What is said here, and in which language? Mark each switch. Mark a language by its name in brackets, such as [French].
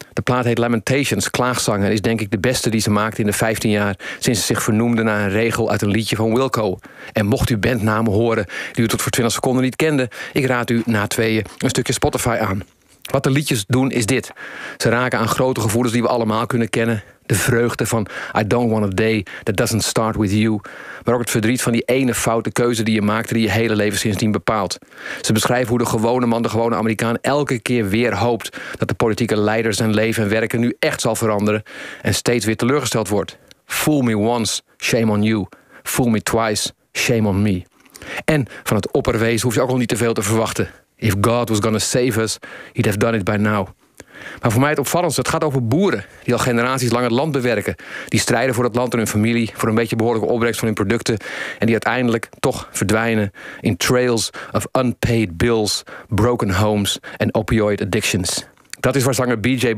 [Dutch] De plaat heet Lamentations, klaagzang, en is denk ik de beste die ze maakte in de 15 jaar sinds ze zich vernoemde naar een regel uit een liedje van Wilco. En mocht u bandnamen horen die u tot voor 20 seconden niet kende, ik raad u na tweeën een stukje Spotify aan. Wat de liedjes doen is dit. Ze raken aan grote gevoelens die we allemaal kunnen kennen. De vreugde van [English] I don't want a day that doesn't start with you. [Dutch] Maar ook het verdriet van die ene foute keuze die je maakte die je hele leven sindsdien bepaalt. Ze beschrijven hoe de gewone man, de gewone Amerikaan, elke keer weer hoopt dat de politieke leider zijn leven en werken nu echt zal veranderen en steeds weer teleurgesteld wordt. [English] Fool me once, shame on you. Fool me twice, shame on me. [Dutch] En van het opperwezen hoef je ook al niet te veel te verwachten. [English] If God was gonna save us, he'd have done it by now. [Dutch] Maar voor mij het opvallendste, het gaat over boeren die al generaties lang het land bewerken. Die strijden voor het land en hun familie, voor een beetje behoorlijke opbrengst van hun producten. En die uiteindelijk toch verdwijnen in [English] trails of unpaid bills, broken homes [Dutch] en [English] opioid addictions. [Dutch] Dat is waar zanger B.J.